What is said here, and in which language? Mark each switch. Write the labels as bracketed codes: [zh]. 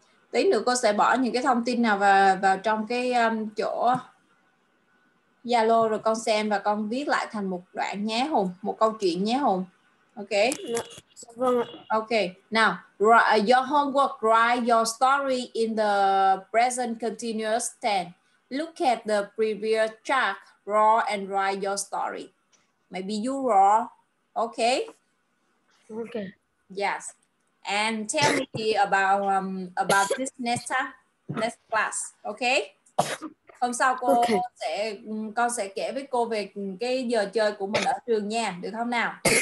[vi] Tí nữa cô sẽ bỏ những cái thông tin nào vào trong cái chỗ Zalo, rồi con xem và con viết lại thành một đoạn nhé Hùng, một câu chuyện nhé Hùng. [en] Ok. [vi] Vâng ạ. [en] Ok. Now, your homework, write your story in the present continuous tense. Look at the previous chart, draw and write your story. Maybe you draw. Ok. Ok. Yes. And tell me about this next class, okay? [vi] Hôm sau con sẽ kể với cô về cái giờ chơi của mình ở trường nha, được không nào?